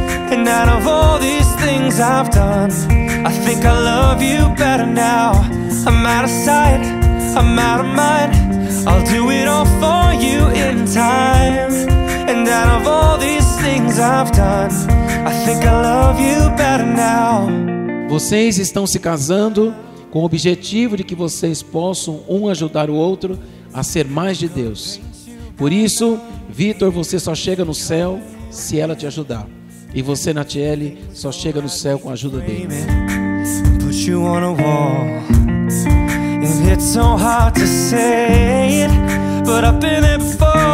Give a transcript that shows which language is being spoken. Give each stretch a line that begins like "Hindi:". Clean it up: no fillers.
English: And out of all these things I've done, I think I love you better now. I'm out of sight, I'm out of mind, I'll do it all for you in time. And out of all these things I've done, I think I love you better now.
Portuguese: Vocês estão se casando com o objetivo de que vocês possam um ajudar o outro a ser mais de Deus. Por isso, Vitor, você só chega no céu se ela te ajudar. E você, Natiele, só chega no céu com a ajuda dele.
English: Put you on a wall. And it's so hard to say it, but I've been there before.